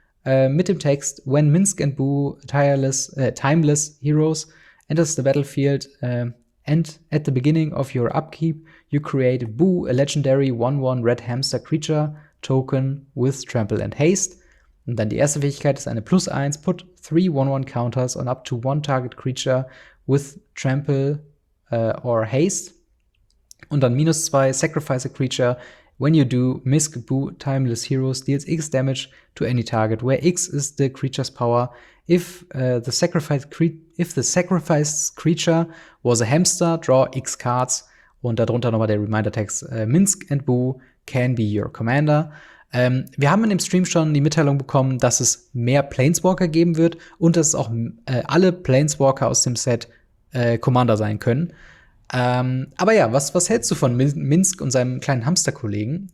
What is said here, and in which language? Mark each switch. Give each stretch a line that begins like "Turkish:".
German: Mit dem Text,
English: when Minsk and Boo, timeless heroes, enters the battlefield, and at the beginning of your upkeep, you create Boo, a legendary 1-1 red hamster creature token with trample and haste.
German: Und dann die erste Fähigkeit ist eine
English: +1, put 3 1-1 counters on up to 1 target creature with trample or haste.
German: Und dann
English: -2, sacrifice a creature. When you do, Minsk, Boo, Timeless Heroes deals X damage to any target, where X is the creature's power. If the sacrificed creature was a hamster, draw X cards.
German: Und darunter nochmal der Reminder-Text,
English: Minsk and Boo can be your commander.
German: Wir haben in dem Stream schon die Mitteilung bekommen, dass es mehr Planeswalker geben wird und dass auch alle Planeswalker aus dem Set Commander sein können. Aber ja, was hältst du von Minsk und seinem kleinen Hamsterkollegen?